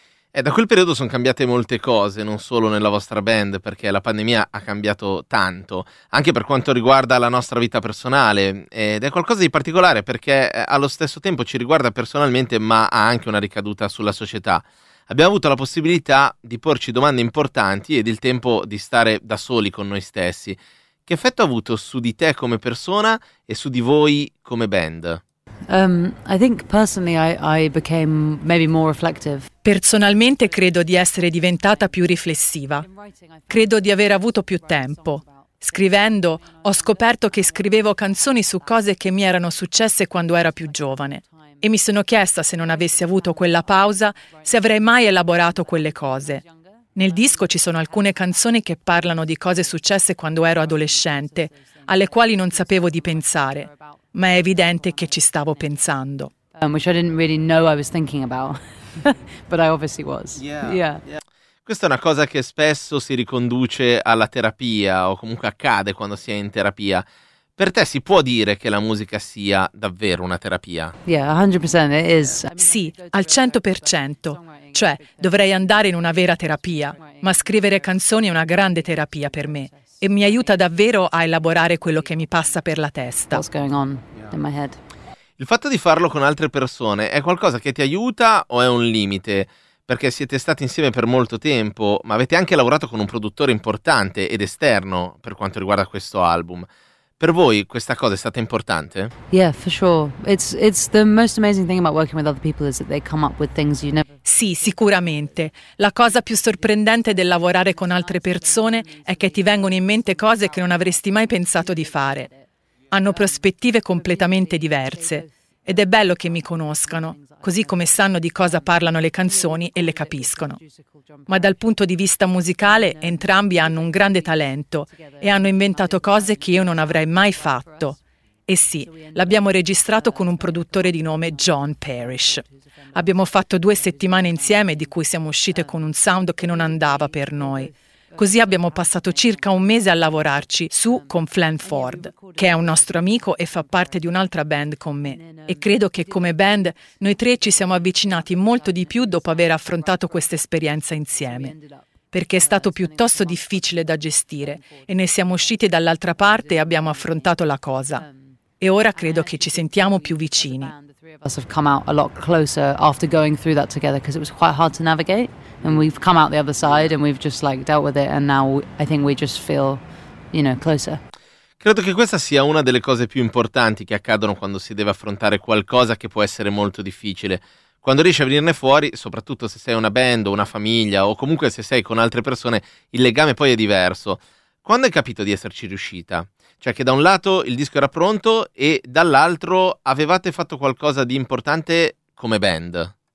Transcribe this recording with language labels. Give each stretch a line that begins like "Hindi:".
Italian: Da quel periodo sono cambiate molte cose, non solo nella vostra band, perché la pandemia ha cambiato tanto, anche per quanto riguarda la nostra vita personale, ed è qualcosa di particolare perché allo stesso tempo ci riguarda personalmente, ma ha anche una ricaduta sulla società. Abbiamo avuto la possibilità di porci domande importanti ed il tempo di stare da soli con noi stessi. Che effetto ha avuto su di te come persona e su di voi come band?
English: I think personally I became maybe more reflective.
Italian: Personalmente credo di essere diventata più riflessiva. Credo di aver avuto più tempo. Scrivendo, ho scoperto che scrivevo canzoni su cose che mi erano successe quando ero più giovane. E mi sono chiesta se non avessi avuto quella pausa, se avrei mai elaborato quelle cose. Nel disco ci sono alcune canzoni che parlano di cose successe quando ero adolescente, alle quali non sapevo di pensare, ma è evidente che ci stavo pensando.
English: Which I didn't really know I was thinking about, but I obviously was. Yeah.
Italian: Questa è una cosa che spesso si riconduce alla terapia, o comunque accade quando si è in terapia. Per te si può dire che la musica sia davvero una terapia?
English: Yeah, 100% it is.
Italian: Sì, al 100%. Cioè, dovrei andare in una vera terapia, ma scrivere canzoni è una grande terapia per me e mi aiuta davvero a elaborare quello che mi passa per la testa.
English: What's going on in my head?
Italian: Il fatto di farlo con altre persone è qualcosa che ti aiuta o è un limite? Perché siete stati insieme per molto tempo, ma avete anche lavorato con un produttore importante ed esterno per quanto riguarda questo album. Per voi questa cosa è stata importante?
English: Yeah, for sure. It's the most amazing thing about working with other people is that they come up with things you never.
Italian: Sì, sicuramente. La cosa più sorprendente del lavorare con altre persone è che ti vengono in mente cose che non avresti mai pensato di fare. Hanno prospettive completamente diverse. Ed è bello che mi conoscano, così come sanno di cosa parlano le canzoni e le capiscono. Ma dal punto di vista musicale, entrambi hanno un grande talento e hanno inventato cose che io non avrei mai fatto. E sì, l'abbiamo registrato con un produttore di nome John Parrish. Abbiamo fatto 2 settimane insieme, di cui siamo uscite con un sound che non andava per noi. Così abbiamo passato circa 1 mese a lavorarci su con Flan Ford, che è un nostro amico e fa parte di un'altra band con me. E credo che come band noi 3 ci siamo avvicinati molto di più dopo aver affrontato questa esperienza insieme. Perché è stato piuttosto difficile da gestire e ne siamo usciti dall'altra parte e abbiamo affrontato la cosa. E ora credo che ci sentiamo più vicini.
English: Us have come out a lot closer after going through that together because it was quite hard to navigate and we've come out the other side and we've just like dealt with it and now I think we just feel, you know, closer.
Italian: Credo che questa sia una delle cose più importanti che accadono quando si deve affrontare qualcosa che può essere molto difficile. Quando riesci a venirne fuori, soprattutto se sei una band o una famiglia o comunque se sei con altre persone, il legame poi è diverso. Quando hai capito di esserci riuscita? Cioè che da un lato il disco era pronto e dall'altro avevate fatto qualcosa di importante come band?